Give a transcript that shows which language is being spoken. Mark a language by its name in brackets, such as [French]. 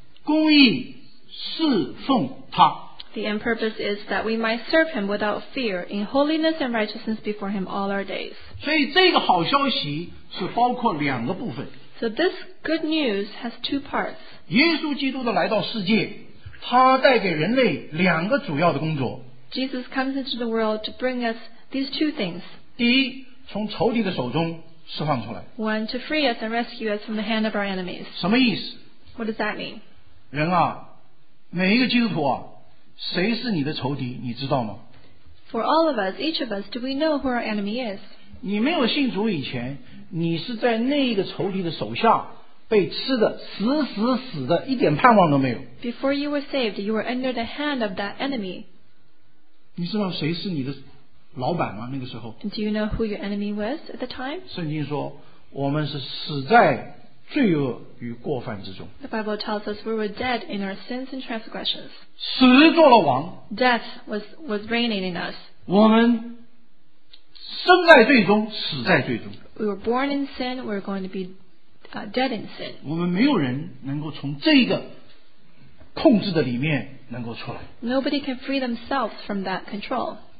[Chinese] 可以终身在他面前坦然无惧地用圣洁、公义侍奉他。 [English] The end purpose is that we might serve him without fear in holiness and righteousness before him all our days. [Chinese] 所以这个好消息是包括两个部分。 [English] So this good news has two parts. [Chinese] 耶稣基督的来到世界, 他带给人类两个主要的工作。 [English] Jesus comes into the world to bring us these two things. [Chinese] 第一, 从仇敌的手中释放出来。 [English] One, to free us and rescue us from the hand of our enemies. [Chinese] 什么意思? [English] What does that mean? [Chinese] 人啊, 每一个基督徒啊, 谁是你的仇敌, 你知道吗? [English] For all of us, each of us, do we know who our enemy is? [Chinese] 你没有信主以前, 你是在那个仇敌的手下, 被吃的死死死的, 一点盼望都没有。 [English] Before you were saved, you were under the hand of that enemy. [Chinese] 你知道谁是你的老板吗, 那个时候? [English] And do you know who your enemy was at the time? [Chinese] 圣经说, 我们是死在罪恶与过犯之中。 [English] The Bible tells us we were dead in our sins and transgressions. [Chinese] 死做了王, [English] death was reigning in us. [Chinese] 我们生在罪中, [English] we were born in sin, we were going to be dead in sin. [Chinese] 我们没有人能够从这个控制的里面能够出来。 [English] Nobody can free themselves from that control.